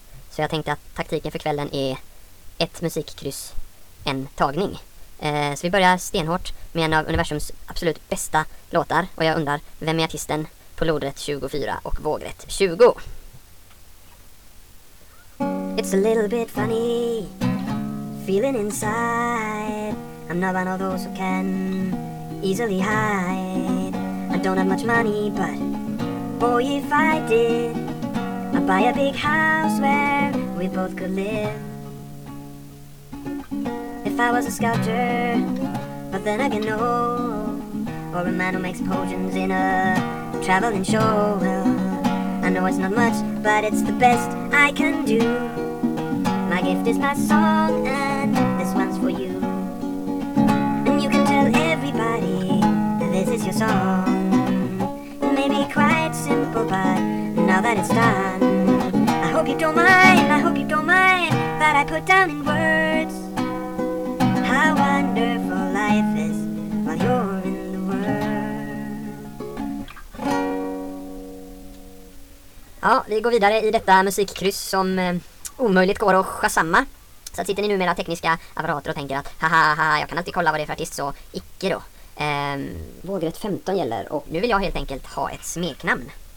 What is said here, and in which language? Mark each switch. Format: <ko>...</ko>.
<sv>Så jag tänkte att taktiken för kvällen är ett musikkryss, en tagning. Så vi börjar stenhårt med en av universums absolut bästa låtar. Och jag undrar, vem är artisten på lodrätt 24 och vågrätt 20?</sv> <en>It's a little bit funny feeling inside. I'm not one of those who can easily hide. I don't have much money, but boy if I did, I'd buy a big house where we both could live. If I was a sculptor, but then again no, or a man who makes potions in a traveling show, well, I know it's not much, but it's the best I can do. My gift is my song, and this one's for you. And you can tell everybody that this is your song. It may be quite simple, but now that it's done, I hope you don't mind that I put down in words how wonderful life is while you're in the world.</en> <sv>Ja, vi går vidare i detta musikkryss som omöjligt går att chasamma. Så sitter ni nu med era tekniska apparater och tänker att haha, jag kan alltid kolla vad det är för artist, så icke då. Vågrätt 15 gäller och nu vill jag helt enkelt ha ett smeknamn.</sv>